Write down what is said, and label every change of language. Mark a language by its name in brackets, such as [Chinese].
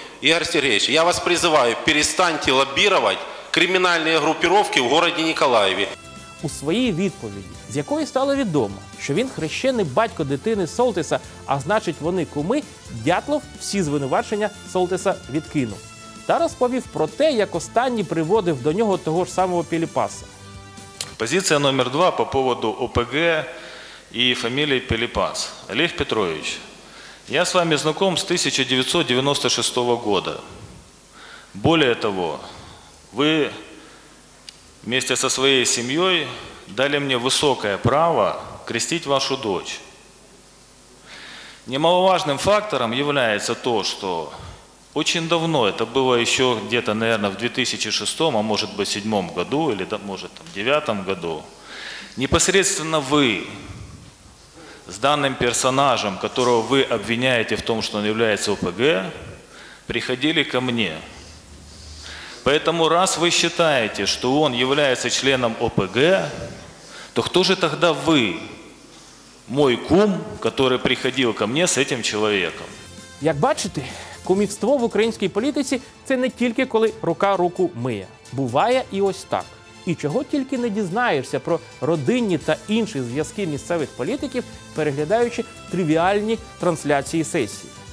[Russian] Игорь Сергеевич, я вас призываю, перестаньте лоббировать криминальные группировки в городе Николаеве. [Ukrainian] У своїй відповіді, з якої стало відомо, що він хрещений батько дитини Солтиса, а значить вони куми, Дятлов всі звинувачення Солтиса відкинув. Та розповів про те, як останній приводив до нього того ж самого Піліпаса. Позиція номер 2 [Russian] по поводу [Ukrainian] ОПГ і фамілії Піліпас. Олег Петрович, я з вами знаком з 1996 року. Більше того, ви [Russian] вместе со своей семьей дали мне высокое право крестить вашу дочь. Немаловажным фактором является то, что очень давно, это было еще где-то, наверное, в 2006, а может быть, 2007 году, или может, в 2009 году, непосредственно вы с данным персонажем, которого вы обвиняете в том, что он является ОПГ, приходили ко мне. Поэтому раз вы считаете, что он является членом ОПГ, то кто же тогда вы, мой кум, который приходил ко мне с этим человеком? [Ukrainian] Як бачите, кумівство в українській політиці – це не тільки коли рука руку миє. Буває і ось так. І чого тільки не дізнаєшся про родинні та інші зв'язки місцевих політиків, переглядаючи тривіальні трансляції сесії.